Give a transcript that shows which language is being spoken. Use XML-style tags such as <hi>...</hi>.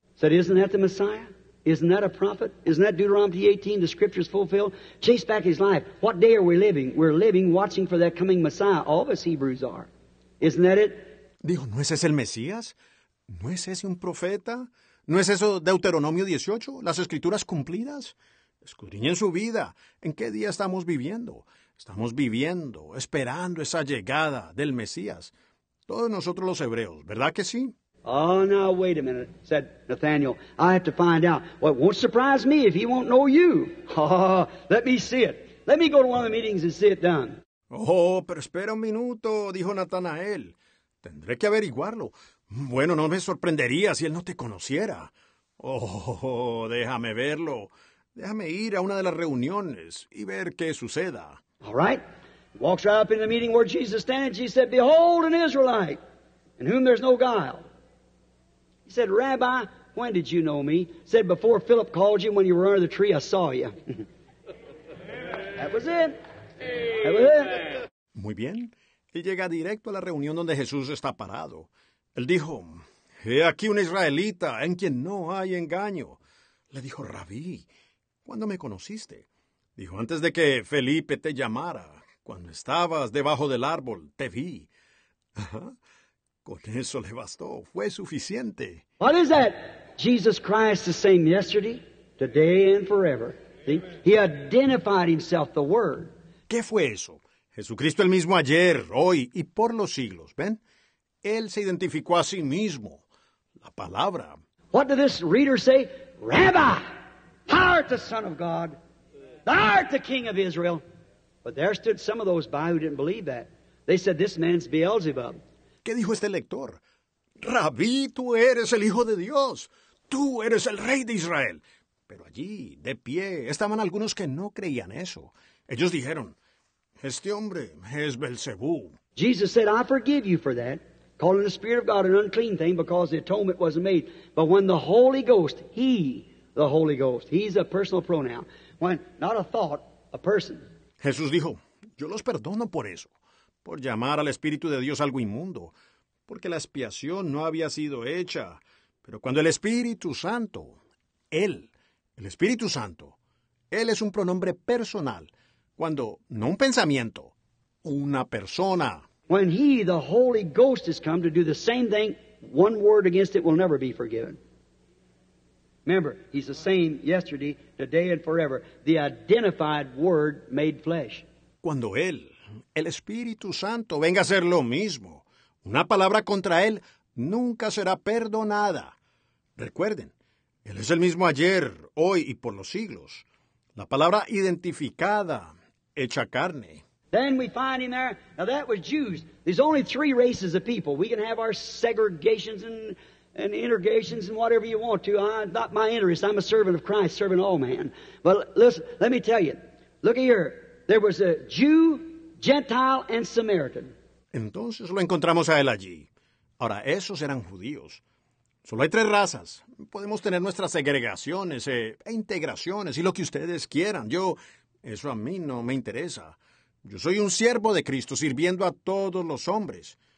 <en>Said, isn't that the Messiah? Isn't that a prophet? Isn't that Deuteronomy 18, the scriptures fulfilled? Chase back his life. What day are we living? We're living, watching for that coming Messiah. All of us Hebrews are. Isn't that it?</en> <es>Dijo, ¿no es ese el Mesías? ¿No es ese un profeta? ¿No es eso Deuteronomio 18, las escrituras cumplidas? Escudriñen su vida. ¿En qué día estamos viviendo? Estamos viviendo, esperando esa llegada del Mesías. Todos nosotros los hebreos, ¿verdad que sí?</es> <en>Oh, now, wait a minute, said Nathanael. I have to find out. Well, it won't surprise me if he won't know you. Oh, let me see it. Let me go to one of the meetings and see it done.</en> <es>Oh, pero espera un minuto, dijo Natanael. Tendré que averiguarlo. Bueno, no me sorprendería si él no te conociera. Oh, déjame verlo. Déjame ir a una de las reuniones y ver qué suceda.</es> <en>All right. Walks right up in the meeting where Jesus stands. He said, behold, an Israelite, in whom there's no guile. He said, Rabbi, when did you know me? He said, before Philip called you, when you were under the tree, I saw you. That was it. That was it.</en> <es>Muy bien. Él llega directo a la reunión donde Jesús está parado. Él dijo, he aquí un israelita en quien no hay engaño. Le dijo, Rabí, ¿cuándo me conociste? Dijo, antes de que Felipe te llamara, cuando estabas debajo del árbol, te vi. Ajá. Con eso le bastó, fue suficiente.</es> <en>What is that? Jesus Christ the same yesterday, today and forever. See? He identified himself the Word.</en> <es>¿Qué fue eso? Jesucristo el mismo ayer, hoy y por los siglos, ¿ven? Él se identificó a sí mismo, la palabra.</es> <en>What did this reader say? Rabbi, thou art the Son of God, thou art the King of Israel. But there stood some of those by who didn't believe that. They said, this man's Beelzebub.</en> <es>¿Qué dijo este lector? Rabí, tú eres el Hijo de Dios, tú eres el Rey de Israel. Pero allí, de pie, estaban algunos que no creían eso. Ellos dijeron, este hombre es Belcebú.</es> <en>Jesus said, I forgive you for that, calling the Spirit of God an unclean thing because the atonement wasn't made. But when the Holy Ghost, he, the Holy Ghost, he's a personal pronoun, when, not a thought, a person.</en> <es>Jesús dijo, yo los perdono por eso, por llamar al Espíritu de Dios algo inmundo, porque la expiación no había sido hecha. Pero cuando el Espíritu Santo, él, el Espíritu Santo, él es un pronombre personal, cuando, no un pensamiento, una persona.</es> <en>When he, the Holy Ghost, has come to do the same thing, one word against it will never be forgiven. Remember, he's the same yesterday, today, and forever. The identified word made flesh.</en> <es>Cuando él, el Espíritu Santo, venga a ser lo mismo, una palabra contra él nunca será perdonada. Recuerden, él es el mismo ayer, hoy y por los siglos. La palabra identificada, hecha carne.</es> <en>Then we find him there. Now that was Jews. There's only three races of people. We can have our segregations and integrations and whatever you want to. I'm not my interest. I'm a servant of Christ, serving all man. But listen, let me tell you. Look here. There was a Jew, Gentile, and Samaritan.</en> <es>Entonces lo encontramos a él allí. Ahora, esos eran judíos. Solo hay tres razas. Podemos tener nuestras segregaciones e integraciones y lo que ustedes quieran. Eso a mí no me interesa. Yo soy un siervo de Cristo sirviendo a todos los hombres.</es>